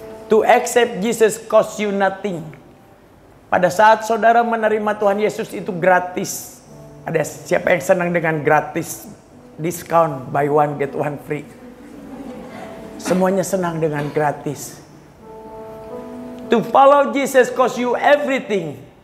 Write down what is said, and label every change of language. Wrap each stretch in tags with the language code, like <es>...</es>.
<en>To accept Jesus cost you nothing.</en> <id>Pada saat saudara menerima Tuhan Yesus itu gratis. Ada siapa yang senang dengan gratis?</id> <en>Discount, buy one get one free.</en> <id>Semuanya senang dengan gratis.</id> <en>To follow Jesus cost you everything.</en>